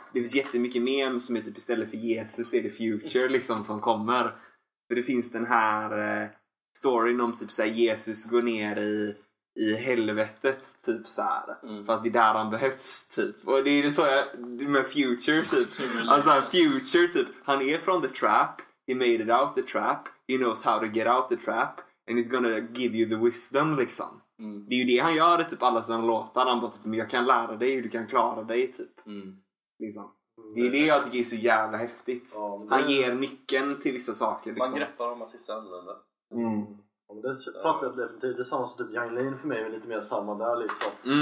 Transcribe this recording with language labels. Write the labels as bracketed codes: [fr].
[sv] Det finns jättemycket memes som är typ istället för Jesus så är det Future liksom som kommer. För det finns den här storyn om typ såhär Jesus går ner i helvetet typ såhär. För att det är där han behövs typ. Och det är så jag, med Future typ. Alltså Future typ, han är från The Trap. [en] He made it out the trap. He knows how to get out the trap. And he's gonna give you the wisdom, liksom. [sv] Det är ju det han gör i typ alla sina låtar. Han bara typ, men jag kan lära dig och du kan klara dig, typ. Liksom. Det är det jag tycker är så jävla häftigt. Ja, han ger nyckeln till vissa saker, liksom. Man greppar dem att sista änden, eller? Det fattar jag definitivt. Det är samma som typ Young Lane för mig är lite mer samma där, liksom.